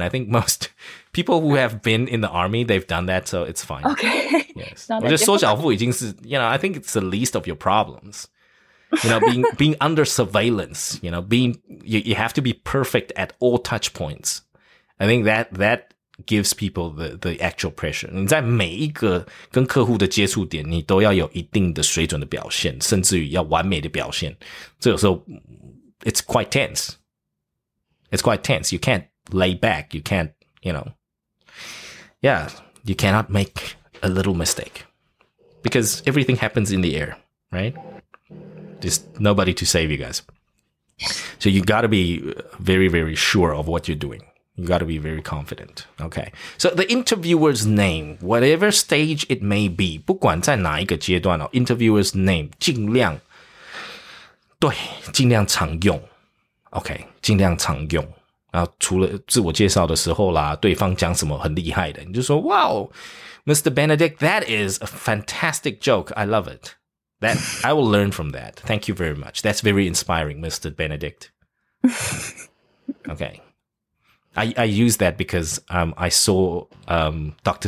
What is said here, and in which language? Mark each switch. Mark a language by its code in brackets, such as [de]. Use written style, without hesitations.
[en] I think most people who have been in the army, they've done that, so it's fine. Okay. Yes. Well, just [zh] 缩小腹已经是, [en] you know, I think it's the least of your problems. You know, being under surveillance, you know, you have to be perfect at all touch points. I think that gives people the actual pressure. [zh] 你在每一个跟客户的接触点，你都要有一定的水准的表现，甚至于要完美的表现。 [en] So, it's quite tense. It's quite tense. You can't lay back. You can't, you know. Yeah, you cannot make a little mistake. Because everything happens in the air, right? There's nobody to save you guys. So you got to be very, very sure of what you're doing. You got to be very confident. Okay. So the interviewer's name, whatever stage it may be, [zh] 不管在哪一个阶段哦, [en] interviewer's name, [zh] 尽量,对,尽量常用。 OK, 尽量常用。然后除了自我介绍的时候啦，对方讲什么很厉害的，你就说 , [en] Wow, Mr. Benedict, that is a fantastic joke. I love it. I will learn from that. Thank you very much. That's very inspiring, Mr. Benedict. OK. I use that because I saw Dr.